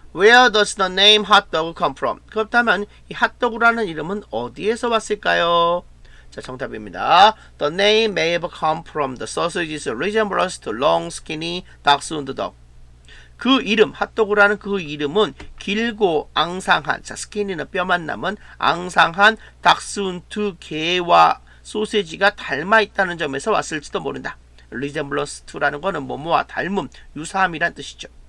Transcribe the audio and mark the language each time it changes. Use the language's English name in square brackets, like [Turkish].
[English] Where does the name hot dog come from? [Korean] 그렇다면 이 핫도그라는 이름은 어디에서 왔을까요? 자, 정답입니다. [English] The name may have come from the sausage's resemblance to long, skinny dachshund dog. [Korean] 그 이름, 핫도그라는 그 이름은 길고 앙상한, 자, 스키니는 뼈만 남은 앙상한 닥스운트 개와 소세지가 닮아있다는 점에서 왔을지도 모른다. resemblance to라는 거는 뭐뭐와 닮음, 유사함이란 뜻이죠.